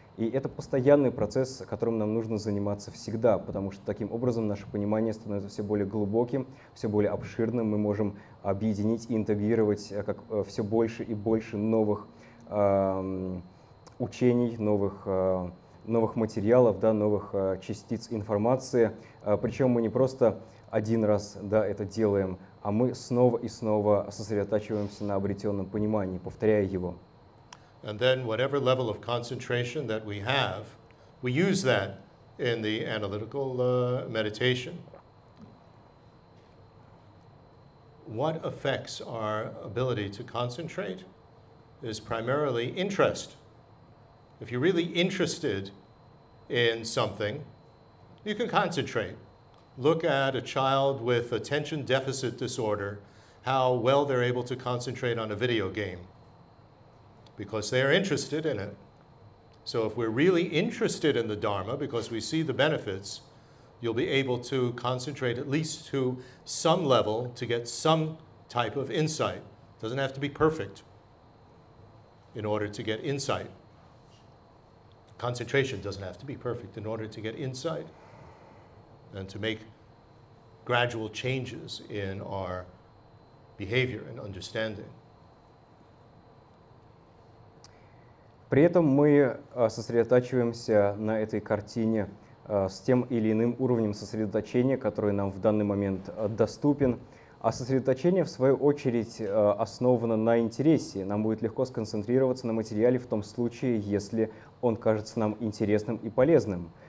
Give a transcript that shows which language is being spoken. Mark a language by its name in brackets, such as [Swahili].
[Russian] И это постоянный процесс, которым нам нужно заниматься всегда, потому что таким образом наше понимание становится все более глубоким, все более обширным, мы можем объединить и интегрировать как все больше и больше новых учений, новых материалов, да, новых частиц информации. Причем мы не просто один раз, да, это делаем, а мы снова и снова сосредотачиваемся на обретенном понимании, повторяя его. [English] And then whatever level of concentration that we have, we use that in the analytical meditation. What affects our ability to concentrate is primarily interest. If you're really interested in something, you can concentrate. Look at a child with attention deficit disorder, how well they're able to concentrate on a video game, because they are interested in it. So if we're really interested in the Dharma, because we see the benefits, you'll be able to concentrate at least to some level to get some type of insight. Doesn't have to be perfect in order to get insight. Concentration doesn't have to be perfect in order to get insight and to make gradual changes in our behavior and understanding. [Russian] При этом мы сосредотачиваемся на этой картине с тем или иным уровнем сосредоточения, который нам в данный момент доступен. А сосредоточение, в свою очередь, основано на интересе. Нам будет легко сконцентрироваться на материале в том случае, если он кажется нам интересным и полезным.